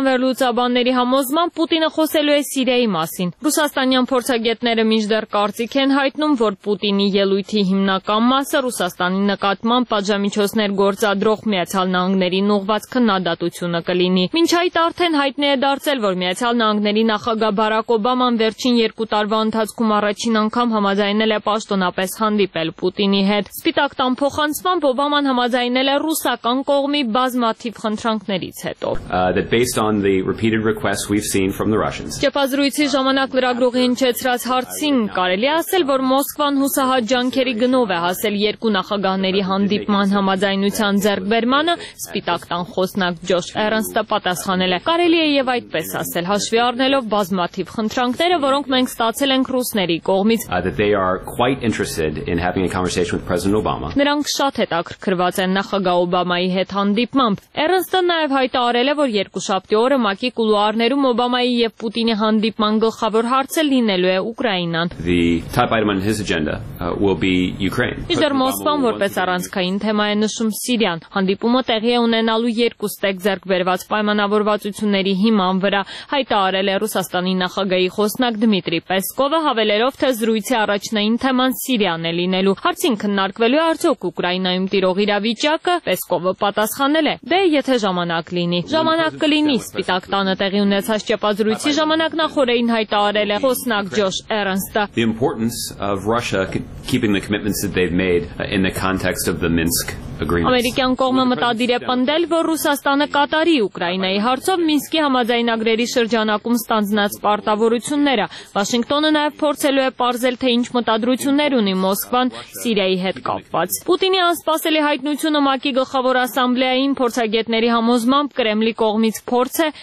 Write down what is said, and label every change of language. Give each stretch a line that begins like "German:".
Armenian: Ռուսաստանյան վերլուծաբանների համոզման Պուտինը խոսելու է Սիրիայի մասին։ Ռուսաստանյան փորձագետները միջդեռ կարծիք են հայտնում, որ Պուտինի ելույթի հիմնական մասը Ռուսաստանի նկատմամբ պատժամիջոցներ գործադրող Միացյալ Նահանգներին ուղված քննադատությունը կլինի։ Մինչ այդ արդեն հայտնի է դարձել, որ Միացյալ Նահանգների նախագահ Բարակ Օբաման վերջին 2 տարվա ընթացքում առաջին անգամ համաձայնել է պաշտոնապես հանդիպել Պուտինի հետ։ Սպիտակ տան փոխանցմամբ Օբաման համաձայնել է ռուսական կողմի բազմաթիվ խնդրանքներից հետո։
English: That based on the repeated requests we've seen from the Russians.
Armenian: Չփազրույցի ժամանակ լրագրողի հնչեցրած հարցին կարելի է ասել, որ Մոսկվան հուսահատջանքերի գնով է հասել երկու նախագահների հանդիպման համաձայնության ձեռքբերմանը, Սպիտակ տան խոսնակ Ջոշ Էրնստը պատասխանել է։ Կարելի է եւ այդպես ասել, հաշվի առնելով բազմաթիվ խնդրանքները, որոնք մենք ստացել ենք ռուսների կողմից.
English: They are quite interested in having a conversation with President Obama.
Armenian: Նրանք շատ հետաքրքրված են նախագահ Օբամայի հետ հանդիպմամբ։ Էրնստը նաեւ հայտարարել է, որ երկու շաբթի օրը ՄԱԿ-ի կուլուարներում Օբամայի եւ Պուտինի հանդիպման գլխավոր հարցը լինելու է Ուկրաինան։
English: The top item on his agenda will be Ukraine.
Armenian: Իսկ Մոսկվան որպես առանցքային թեմա է նշում Սիրիան։ Հանդիպումը տեղի է ունենալու երկու ստեկ ձեռքբերված պայմանավորվածությունների հիման վրա, հայտարարել է Ռուսաստանի նախագահի խոսնակ Դմիտրի Պեսկովը, հավելելով, թե զրույցի առաջնային թեման Սիրիան է լինելու։ Հարցին քննարկվելու է արդյոք Ուկրաինայում տիրող իրավիճակը, Պեսկովը պատասխանել է. Դե եթե ժամանակ լինի, ժամանակ կլինի, Սպիտակ տանը տեղի ունեցած ճեպազրույցի ժամանակ նախորդին հայտարարել է խոսնակ Ջոշ Էրնստը.
English: The importance of Russia keeping the commitments that they've made in the context of the Minsk agreement.
Armenian: Ամերիկյան կողմը մտադիր է պնդել, որ Ռուսաստանը կատարի Ուկրաինայի հարցով Մինսկի համաձայնագրերի շրջանակում ստանձնած պարտավորությունները։ Վաշինգտոնը նաև փորձելու է պարզել, թե ինչ մտադրություններ ունի Մոսկվան Սիրիայի հետ կապված։ Պուտինի անսպասելի հայտնությունը ՄԱԿ-ի գլխավոր ասամբլեային փորձագետների համոզմամբ Կրեմլի կողմից փորձ է,